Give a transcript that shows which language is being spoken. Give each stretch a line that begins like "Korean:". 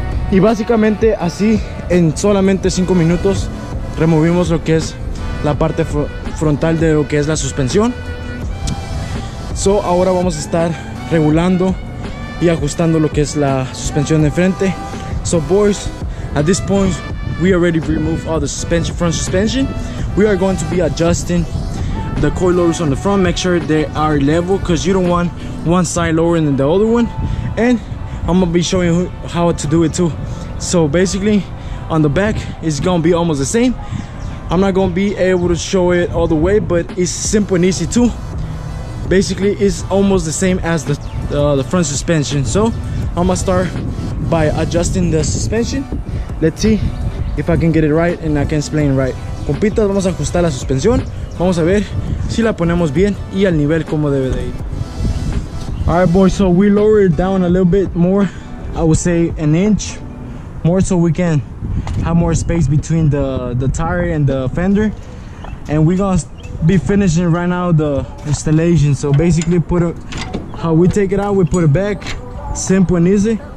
Spanish: Y básicamente así, en solamente 5 minutos, removimos lo que es la parte frontal de lo que es la suspensión. So, ahora vamos a estar regulando y ajustando lo que es la suspensión de frente.
English: So boys, at this point, we already removed all the suspension, front suspension. We are going to be adjusting the coilovers on the front. Make sure they are level because you don't want one side lower than the other one. And I'm gonna be showing you how to do it too. So basically, on the back, it's gonna be almost the same. I'm not gonna be able to show it all the way, but it's simple and easy too. Basically, it's almost the same as the front suspension. So I'm gonna start by adjusting the suspension. Let's see if I can get it right and I can explain it right.
Spanish: Compitas, vamos a ajustar la suspensión. Vamos a ver si la ponemos bien y al nivel como debe de ir.
English: All right, boys, so we lowered it down a little bit more, I would say an inch more, so we can have more space between the tire and the fender. And we're gonna be finishing right now the installation. So basically, put it how we take it out, we put it back, simple and easy.